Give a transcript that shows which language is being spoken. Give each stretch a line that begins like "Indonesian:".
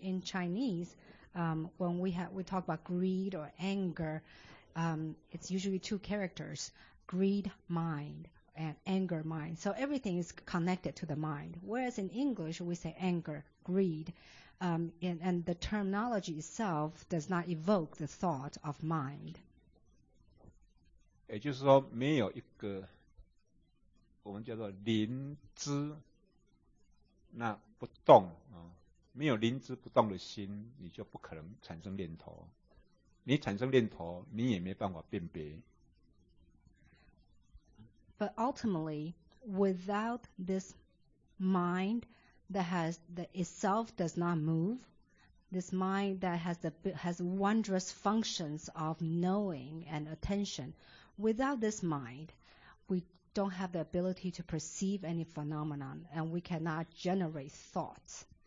English: In Chinese, when we talk about greed or anger, it's usually two characters, greed mind and anger mind. So everything is connected to the mind. Whereas in English, we say anger, greed, and the terminology itself does not evoke the thought of mind.
Chinese: 也就是说没有一个 我们叫做灵知，那不动啊，没有灵知不动的心，你就不可能产生念头。你产生念头，你也没办法辨别。
English: But ultimately, without this mind that has the itself does not move, this mind that has wondrous functions of knowing and attention, without this mind, we don't have the ability to perceive any phenomenon, and we cannot generate thoughts.